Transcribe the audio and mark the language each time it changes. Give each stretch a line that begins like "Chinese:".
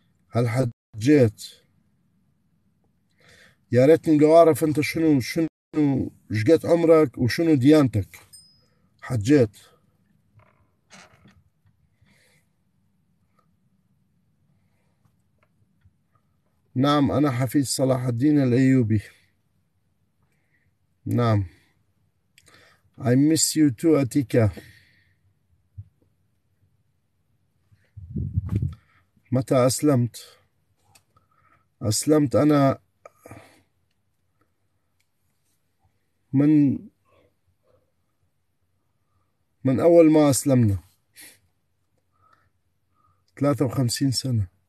Arabic: هل حجيت؟ يا ريتني لو أعرف أنت شنو شقد عمرك وشنو ديانتك. حجيت نعم. انا حفيد صلاح الدين الايوبي. نعم
English: I miss you too
Arabic: اتيكا. متى اسلمت؟ اسلمت انا من أول ما أسلمنا 53 سنة.